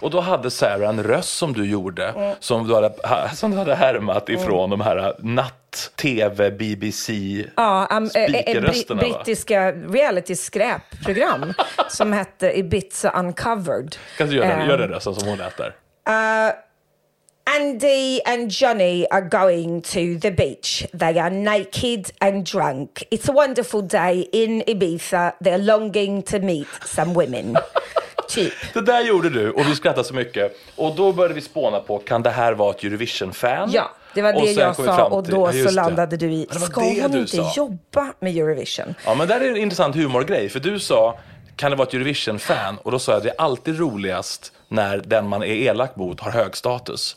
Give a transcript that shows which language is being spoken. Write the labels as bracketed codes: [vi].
[sv] Och då hade Sarah en röst som du gjorde, som du hade härmat ifrån de här natt-tv, BBC, speakerrösterna. Brittiska reality-skräpprogram som hette Ibiza Uncovered. Kan du göra den rösten som hon äter? [en] Andy and Johnny are going to the beach. They are naked and drunk. It's a wonderful day in Ibiza. They're longing to meet some women. [sv] Det där gjorde du och vi skrattade så mycket. Och då började vi spåna på, kan det här vara ett Eurovision-fan? Ja, det var det jag sa och då så landade du i, ska hon inte jobba med Eurovision? Ja, men det är en intressant humorgrej. För du sa, kan det vara ett Eurovision-fan? Och då sa jag, det är alltid roligast när den man är elak mot har hög status.